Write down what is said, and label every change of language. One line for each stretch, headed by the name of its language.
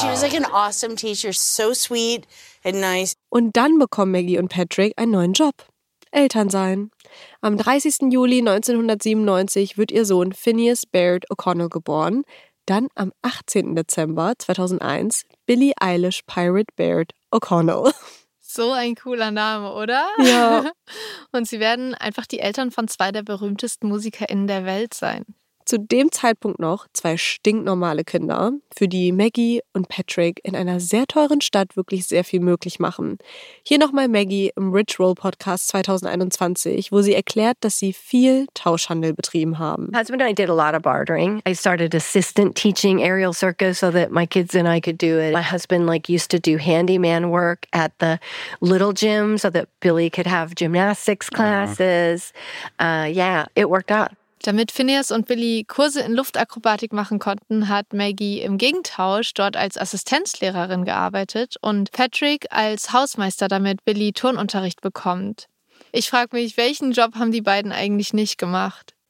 English: She was like an awesome teacher, so sweet and nice.
German: Und dann bekommen Maggie und Patrick einen neuen Job. Eltern sein. Am 30. Juli 1997 wird ihr Sohn Phineas Baird O'Connell geboren. Dann am 18. Dezember 2001 Billie Eilish Pirate Baird O'Connell. So ein cooler Name, oder? Ja. Und sie werden einfach die Eltern von zwei der berühmtesten MusikerInnen der Welt sein. zu dem Zeitpunkt noch zwei stinknormale Kinder, für die Maggie und Patrick in einer sehr teuren Stadt wirklich sehr viel möglich machen. Hier nochmal Maggie im Rich Roll Podcast 2021, wo sie erklärt, dass sie viel Tauschhandel betrieben haben.
English: My husband and I did a lot of bartering. I started assistant teaching aerial circus so that my kids and I could do it. My husband like used to do handyman work at the little gym so that Billy could have gymnastics classes. Yeah, it worked out.
German: Damit Phineas und Billy Kurse in Luftakrobatik machen konnten, hat Maggie im Gegentausch dort als Assistenzlehrerin gearbeitet und Patrick als Hausmeister, damit Billy Turnunterricht bekommt. Ich frage mich, welchen Job haben die beiden eigentlich nicht gemacht?